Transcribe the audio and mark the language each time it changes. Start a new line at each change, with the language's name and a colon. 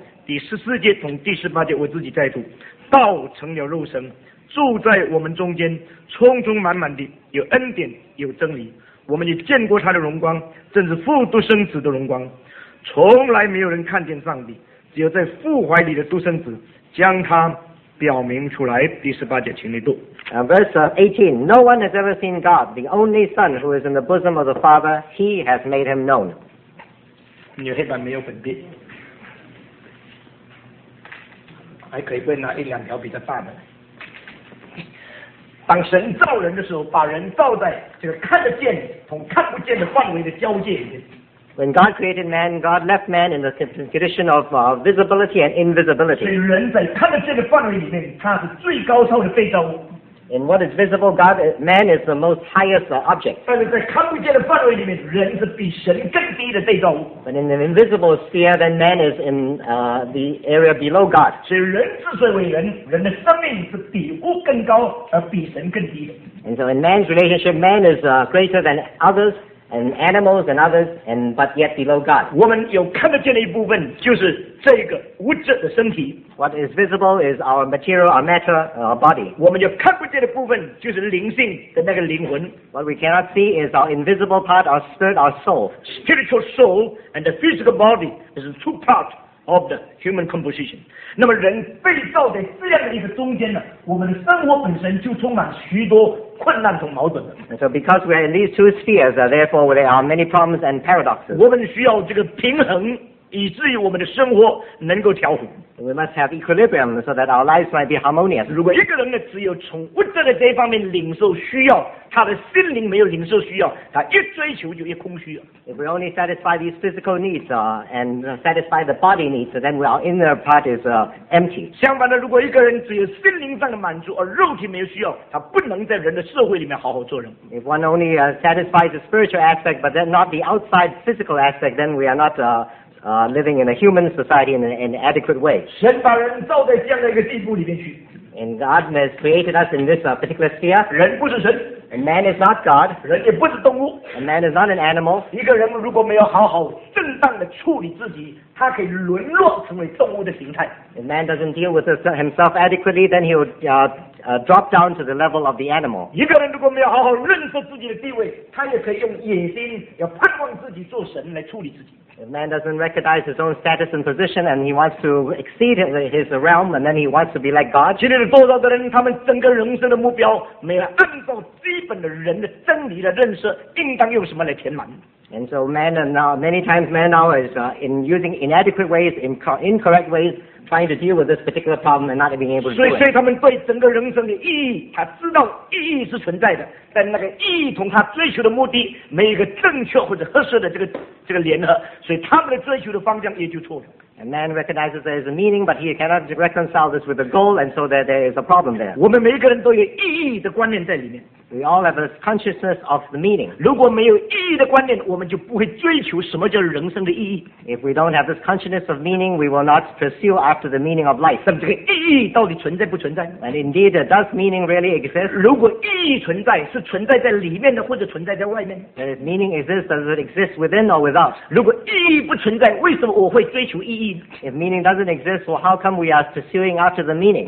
Chinese: 第十四节同第十八节我自己再读，道成了肉身，住在我们中间，充充满满的有恩典有真理，我们也见过他的荣光，正是父独生子的荣光。从来没有人看见上帝，只有在父怀里的独生子将他表明出来。第十八节请你读。
English: Verse 18, no one has ever seen God, the only Son who is in the bosom of the Father, He has made Him known.
Chinese: 你有黑板没有粉笔？还可以再拿一两条笔再画的。当神造人的时候，把人造在这个看得见同看不见的范围的交界里面。
English: When God created man, God left man in the condition of visibility and invisibility.
Chinese: 所以人在看得见的范围里面，他是最高超的被造物。
English: In what is visible, God, man is the most highest object.
Chinese: 但是在看不见的范围里面，人是比神更低的被造物。
English: But in the invisible sphere, then man is in the area below God.
Chinese: 所以人之所以为人，人的生命是比物更高，而比神更低的。
English: And so in man's relationship, man is greater than others. And animals and others, and but yet below God.
Chinese: 我们有看得见的一部分，就是这个物质的身体。
English: What is visible is our material, our matter, our body.
Chinese: 我们有看不见的部分，就是灵性的那个灵魂。
English: What we cannot see is our invisible part, our spirit, our soul. Spiritual soul and the physical body is two parts of the human composition.
Chinese: 那么人被造在这样的一个中间呢，我们的生活本身就充满许多。困难和矛盾的。
English: And so because we are in these two spheres, therefore there are many problems and paradoxes.
Chinese: 我们需要这个平衡，以至于我们的生活能够调和。
English: We must have equilibrium so that our lives might be harmonious.
Chinese: 如果一个人呢，只有从物质的这方面领受需要，他的心灵没有领受需要，他一追求就一空虚了。
English: If we only satisfy these physical needs, and satisfy the body needs, then our inner part is empty.
Chinese: 相反的，如果一个人只有心灵上的满足，而肉体没有需要，他不能在人的社会里面好好做人。
English: If one only satisfies the spiritual aspect, but then not the outside physical aspect, then we are not living in a human society in an adequate way.
Chinese: 神把人造在这样的一个地步里面去。
English: And God has created us in this particular sphere.
Chinese: 人不是神。
English: And man is not God.
Chinese: 人也不是动物。
English: And man is not an animal.
Chinese: 一个人如果没有好好正当的处理自己，他可以沦落成为动物的形态。
English: If man doesn't deal with himself adequately, then he would drop down to the level of the animal.
Chinese: 一个人如果没有好好认识自己的地位，他也可以用野心，要盼望自己做神来处理自己。
English: If man doesn't recognize his own status and position, and he wants to exceed his realm, and then he wants to be like God.
Chinese: 今天的做到的人，他们整个人生的目标，没有按照基本的人的真理的认识，应当用什么来填满？
English: And so men are now, many times men now is in using inadequate ways, incorrect ways, trying to deal with this particular problem and not being able to do it.
Chinese: 但那个意义同他追求的目的没有一个正确或者合适的这个联合，所以他们的追求的方向也就错了。
English: A man recognizes there is a meaning, but he cannot reconcile this with a goal, and so there is a problem there.
Chinese: 我们每一个人都有意义的观念在里面。
English: We all have a consciousness of the meaning.
Chinese: 如果没有意义的观念，我们就不会追求什么叫人生的意义。
English: If we don't have this consciousness of meaning, we will not pursue after the meaning of life.
Chinese: 那么这个意义到底存在不存在？
English: And indeed, does meaning really exist?
Chinese: 如果意义存在， 存在在里面的或者存在在外面。
English: If meaning exists, does it exist within or without?
Chinese: 如果意义不存在， 为什么我会追求意义？
English: If meaning doesn't exist, well, how come we are pursuing after the meaning?